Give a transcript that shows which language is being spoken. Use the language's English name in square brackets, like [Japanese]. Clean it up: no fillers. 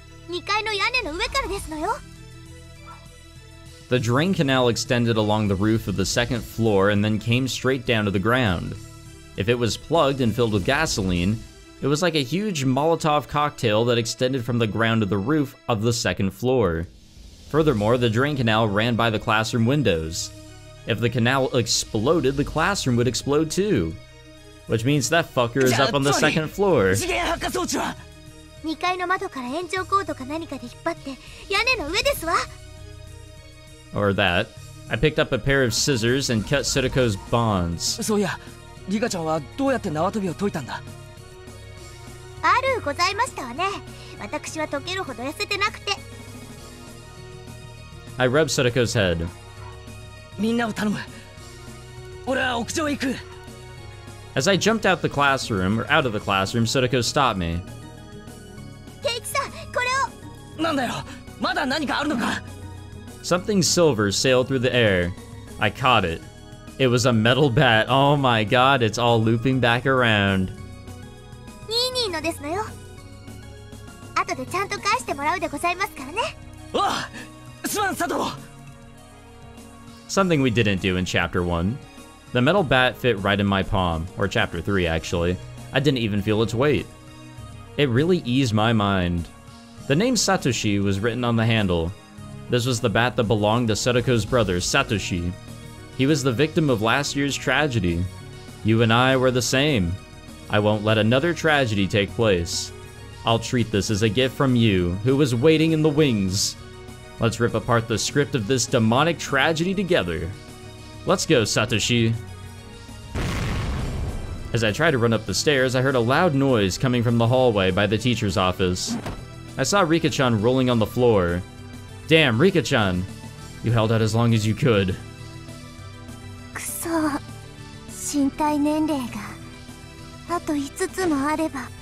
[Japanese] 2階の屋根の上からですのよ。 [English] The drain canal extended along the roof of the second floor and then came straight down to the ground. If it was plugged and filled with gasoline, it was like a huge Molotov cocktail that extended from the ground to the roof of the second floor. Furthermore, the drain canal ran by the classroom windows. If the canal exploded, the classroom would explode too. Which means that fucker is up on the second floor. [Japanese] 次元発火装置は 2階の窓から延長コードか何かで引っ張って屋根の上ですわ。 [English] Or that. I picked up a pair of scissors and cut Sitoko's bonds. [Japanese] そういや、リカちゃんはどうやって縄跳びを解いたんだ？あるございましたわね。私は解けるほど痩せてなくて。 [English] I rubbed Sitoko's head. [Japanese] みんなを頼む。俺は屋上へ行く。 [English] As I jumped out the classroom, or out of the classroom, Sitoko stopped me. [Japanese] Keiki-san, これを。なんだよ。まだ何かあるのか。 [English] Something silver sailed through the air. I caught it. It was a metal bat. Oh my god, it's all looping back around. [Japanese] ニーニーのですのよ。後でちゃんと返してもらうでございますからね。わあ、すまん、佐藤。 [English] Something we didn't do in Chapter 1. The metal bat fit right in my palm, or Chapter 3, actually. I didn't even feel its weight. It really eased my mind. The name Satoshi was written on the handle. This was the bat that belonged to Setoko's brother, Satoshi. He was the victim of last year's tragedy. You and I were the same. I won't let another tragedy take place. I'll treat this as a gift from you, who was waiting in the wings. Let's rip apart the script of this demonic tragedy together. Let's go, Satoshi. As I tried to run up the stairs, I heard a loud noise coming from the hallway by the teacher's office. I saw Rika-chan rolling on the floor. Damn, Rika-chan! You held out as long as you could. [Japanese] Kuso. 身体年齢が。あと5つもあれば。